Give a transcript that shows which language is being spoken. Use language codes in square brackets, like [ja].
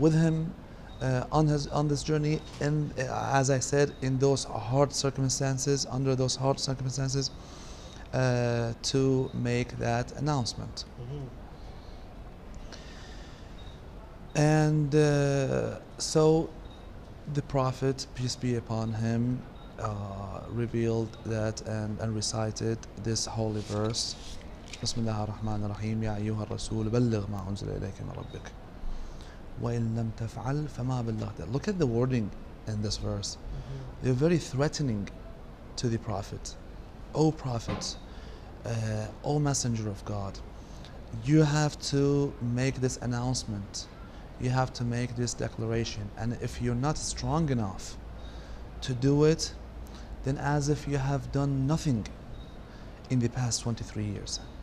[en] With him on this journey. And as I said, in those hard circumstances, under those hard circumstances, to make that announcement. Mm-hmm. And so the Prophet, peace be upon him, revealed that and recited this holy verse. [ar] بسم الله الرحمن الرحيم يا أيها الرسول بلغ ما أنزل إليك من ربك وإن لم تفعل فما بلغت. [en] Look at the wording in this verse. Mm-hmm. They're very threatening to the Prophet. O Prophet, O Messenger of God, you have to make this announcement. You have to make this declaration. And if you're not strong enough to do it, then as if you have done nothing in the past 23 years.